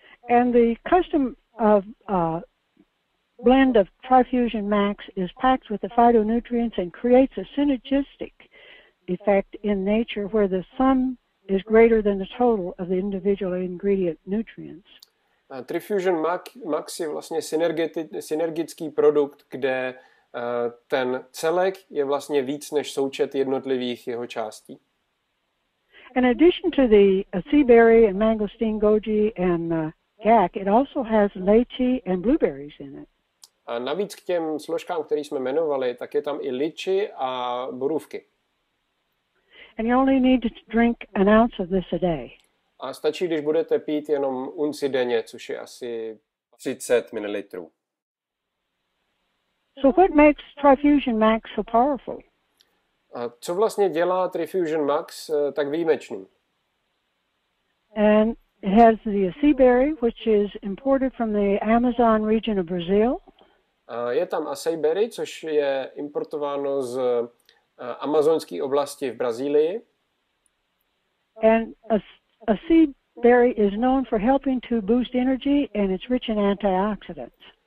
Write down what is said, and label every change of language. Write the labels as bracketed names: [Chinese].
[English] And the custom of blend of Trifusion Max is packed with the phytonutrients and creates a synergistic effect in nature where the sum is greater than the total of the individual ingredient nutrients. [Czech] Trifusion Max je vlastně synergický produkt, kde ten celek je vlastně víc než součet jednotlivých jeho částí. [English] In addition to the sea berry and mangosteen goji and gak, it also has lychee and blueberries in it. [Czech] A navíc k těm složkám, které jsme jmenovali, tak je tam i lychee a borůvky. [English] And you only need to drink an ounce of this a day. [Czech] A stačí, když budete pít jenom unci denně, což je asi 30 ml. [English] So what makes Trifusion Max so powerful? [Czech] A co vlastně dělá Trifusion Max tak výjimečný? [English] And it has the sea berry, which is imported from the Amazon region of Brazil. [Czech] A je tam acai berry, což je importováno z amazonské oblasti v Brazílii. [English] And acai berry is known for helping to boost energy and it's rich in antioxidants.